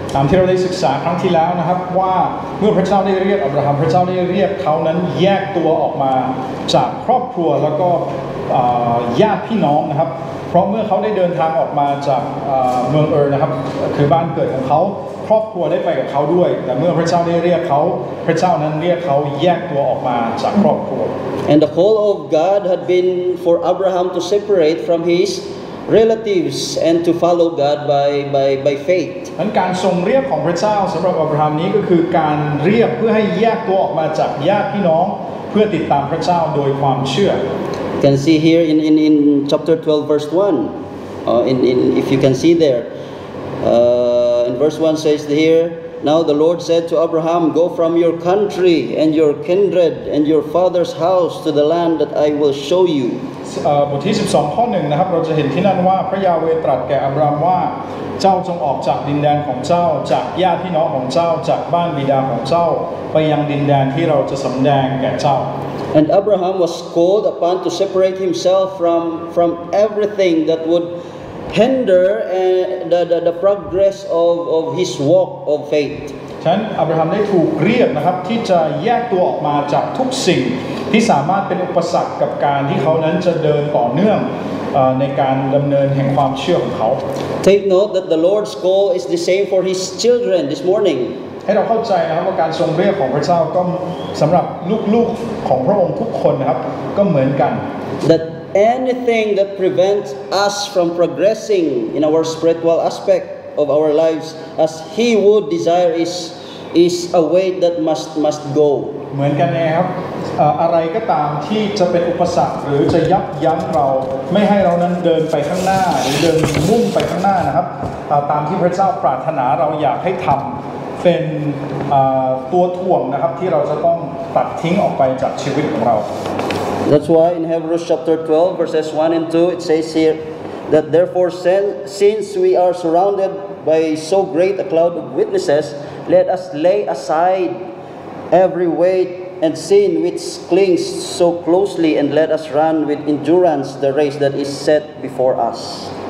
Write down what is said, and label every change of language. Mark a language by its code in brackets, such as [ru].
[th] ตามที่เราได้ศึกษาครั้งที่แล้วนะครับว่าเมื่อพระเจ้าได้เรียกอับราฮัมพระเจ้าได้เรียกเขานั้นแยกตัวออกมาจากครอบครัวแล้วก็ญาติพี่น้องนะครับเพราะเมื่อเขาได้เดินทางออกมาจากเมืองนะครับคือบ้านเกิดของเขาครอบครัวได้ไปกับเขาด้วยแต่เมื่อพระเจ้าได้เรียกเขาพระเจ้านั้นเรียกเขาแยกตัวออกมาจากครอบครัว [en] And the call of God had been for Abraham to separate from his relatives and to follow God by faith [th] นั้นการทรงเรียกของพระเจ้าสำหรับอับราฮัมนี้ก็คือการเรียกเพื่อให้แยกตัวออกมาจากญาติพี่น้องเพื่อติดตามพระเจ้าโดยความเชื่อ [en] You can see here in chapter 12 verse 1 in if you can see thereVerse 1 says here, Now the Lord said to Abraham, Go from your country and your kindred and your father's house to the land that I will show you. [th] บทที่12ข้อ1นะครับเราจะเห็นที่นั่นว่าพระยาเวตรัสแก่อับรามว่าเจ้าจงออกจากดินแดนของเจ้าจากญาติพี่น้องของเจ้าจากบ้านบิดาของเจ้าไปยังดินแดนที่เราจะสำแดงแก่เจ้า [en] And Abraham was called upon to separate himself from everything that wouldhinder the progress of his walk of faith [th] ฉะนั้นอับราฮัมได้ถูกเรียกนะครับที่จะแยกตัวออกมาจากทุกสิ่งที่สามารถเป็นอุปสรรคกับการที่เขานั้นจะเดินต่อเนื่องในการดำเนินแห่งความเชื่อของเขา [en] Take note that the Lord's call is the same for his children this morning [th] ให้เราเข้าใจนะครับว่าการทรงเรียกของพระเจ้าก็สำหรับลูกๆของพระองค์ทุกคนนะครับก็เหมือนกัน [en] thatAnything that prevents us from progressing in our spiritual aspect of our lives as he would desire is a way that must go [th] เหมือนกันนะครับอะไรก็ตามที่จะเป็นอุปสรรคหรือจะยับยั้งเราไม่ให้เรานั้นเดินไปข้างหน้าหรือเดินมุ่งไปข้างหน้านะครับตามที่พระเจ้าปรารถนาเราอยากให้ทำเป็นตัวถ่วงนะครับที่เราจะต้องตัดทิ้งออกไปจากชีวิตของเรา [en] That's why in Hebrews chapter 12 verses 1 and 2 it says here that therefore since we are surrounded by so great a cloud of witnesses let us lay aside every weight and sin which clings so closely and let us run with endurance the race that is set before us.